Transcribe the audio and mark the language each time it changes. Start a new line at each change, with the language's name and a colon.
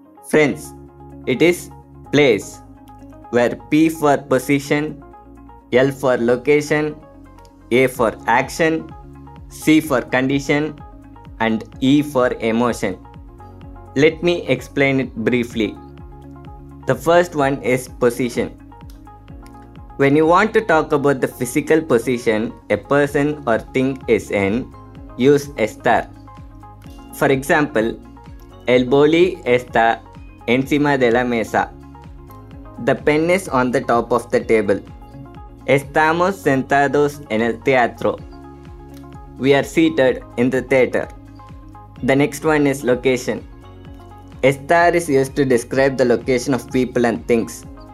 English: Friends, it is place, where P for position, L for location, A for action, C for condition, and E for emotion. Let me explain it briefly. The first one is position. When you want to talk about the physical position a person or thing is in, use estar. For example,
Spanish: el boli está encima de la mesa.
English: The pen is on the top of the table.
Spanish: Estamos sentados en el teatro.
English: We are seated in the theater. The next one is location. Estar is used to describe the location of people and things.